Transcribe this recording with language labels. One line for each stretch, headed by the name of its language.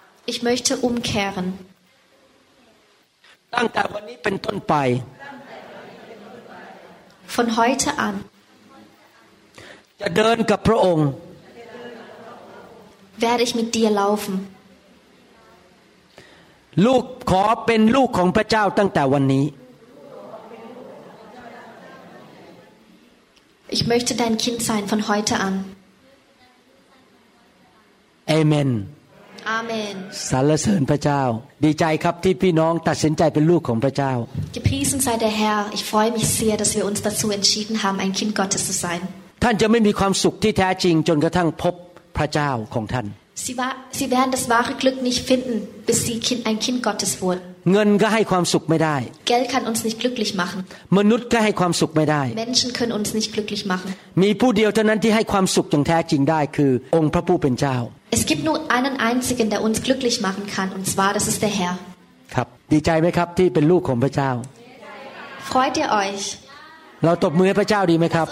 German: Ich möchte umkehren.
Thai: ตั้งแต่วันนี้เป็นต้นไป
German: Von heute an.
Thai: จะเดินกับพระองค์
German: Werde ich mit dir laufen
Thai: ลูกขอเป็นลูกของพระเจ้าตั้งแต่วันนี้
German: Ich möchte dein Kind sein von heute an Amen Amen
Thai: สรรเสริญพระเจ้าดีใจครับที่พี่น้องตัดสินใจเป็นลูกของพระเจ้า
German: Gepriesen sei der Herr Ich freue mich sehr dass wir uns dazu entschieden haben ein Kind Gottes zu sein
Thai: ท่านจะไม่มีความสุขที่แท้จริงจนกระทั่งพบพระเจ้าของท่าน
German: Sie werden das wahre Glück nicht finden, bis Sie ein Kind Gottes wurden.
Thai: เงินก็ให้ความสุขไม่ได้
German: Geld kann uns nicht glücklich machen.
Thai: มนุษย์ก็ให้ความสุขไม่ได้
German: Menschen können uns nicht glücklich machen.
Thai: มีผู้เดียวเท่านั้นที่ให้ความสุขอย่างแท้จริงได้คือองค์พระผู้เป็นเจ้า
German: Es gibt nur einen einzigen, der uns glücklich machen kann, und zwar das ist der Herr.
Thai: ครับดีใจไหมครับที่เป็นลูกของพระเจ้า
German: Freut ihr euch?
Thai: เราตบมือให้พระเจ้าดีไหมครับ